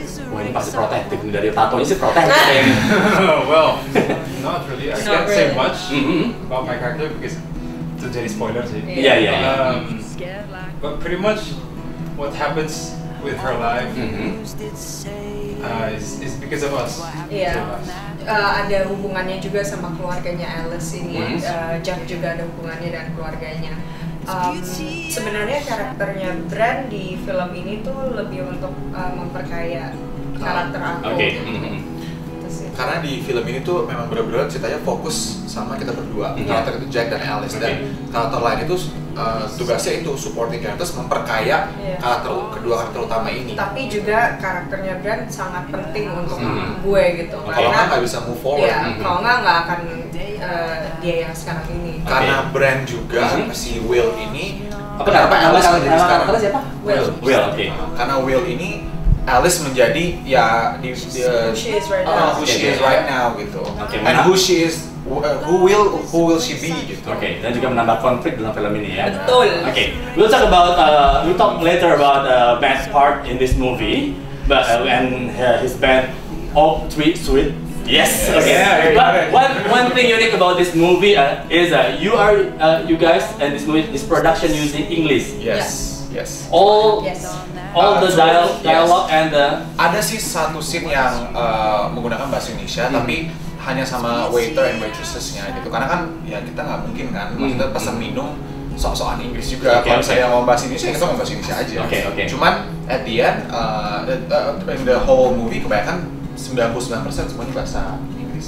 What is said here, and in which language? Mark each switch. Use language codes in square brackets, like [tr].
[id] Wah, ini pasti protektif dari tatonya sih, protektif. [en] Well, not really. I can't say much about my character because [id] itu jadi spoiler sih. Iya, iya. [en] But pretty much what happens with her life is because of us. Yeah. [id] Ada hubungannya juga sama keluarganya Alice ini. Jack juga ada hubungannya dan keluarganya. Sebenarnya karakternya Bran di film ini tuh lebih untuk memperkaya karakter aku. [en] Okay. [id] Karena di film ini tuh memang benar-benar ceritanya fokus sama kita berdua, karakter itu Jack dan Alice, dan karakter lain itu tugasnya itu supporting characters, memperkaya karakter kedua karakter utama ini. Tapi juga karakternya Bran sangat penting untuk gue gitu. Kalau nggak bisa [en] move forward. [id] Iya, kalau nggak akan dia yang sekarang ini. Karena Bran juga si Will ini. Apa nama Alice? Alice jadi sekarang Alice siapa? Will. Will, oke. Karena Will ini Alice menjadi ya di [en] who she is right now [id] gitu. [en] Okay, and who she is who will she be gitu. [id] Oke, okay, dan juga menambah konflik dalam film ini ya. Betul. Oke. Okay. [en] We'll talk about the best part in this movie. But and his band all three sweet. Yes. Okay. But one thing unique about this movie is you are you guys and this movie, this production using English. Yes. Yes. All yes. All the dialogue yes. And the [id] ada sih satu scene yang menggunakan bahasa Indonesia tapi hanya sama waiter and waitressnya gitu, karena kan ya kita nggak mungkin kan maksudnya pesan minum sok-sokan Inggris juga. Okay, kalau saya mau bahasa Indonesia kita mau bahasa Indonesia aja. Oke, okay, oke. Okay. Cuman [en] at the end in the whole movie [id] kebanyakan 99% semuanya bahasa Inggris.